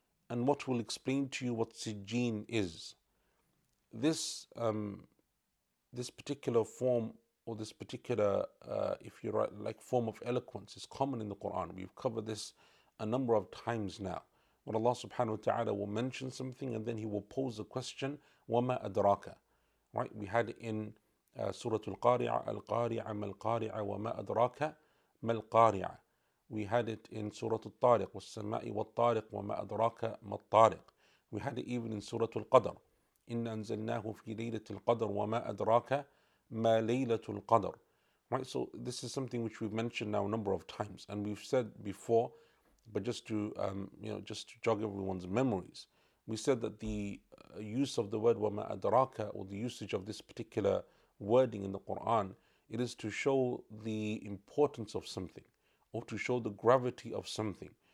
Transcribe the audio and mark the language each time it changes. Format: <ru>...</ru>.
<en>And what will explain to you what Sijjin is? This particular form, or this particular, form of eloquence is common in the Quran. We've covered this a number of times now. When Allah subhanahu wa ta'ala will mention something and then he will pose a question, وَمَا أَدْرَاكَ, right? We had in Surah Al-Qari'ah, Al-Qari'ah, Mal-Qari'ah, وَمَا أَدْرَاكَ, Mal-Qari'ah. We had it in Surah Al-Tariq,</en> <ar>وَالسَّمَاءِ وَالطَّارِقِ وَمَا أَدْرَاكَ مَا الطَّارِقِ.</ar> <en>We had it even in Surah Al-Qadr,</en> <ar>إِنَّ أَنزَلْنَاهُ فِي لَيْلَةِ الْقَدْرِ وَمَا أَدْرَاكَ مَا لَيْلَةُ الْقَدْرِ.</ar> <en>Right, so this is something which we've mentioned now a number of times, and we've said before, but just to just to jog everyone's memories, we said that the use of the word وَمَا أَدْرَاكَ, or the usage of this particular wording in the Quran, it is to show the importance of something, or to show the gravity of something.</en>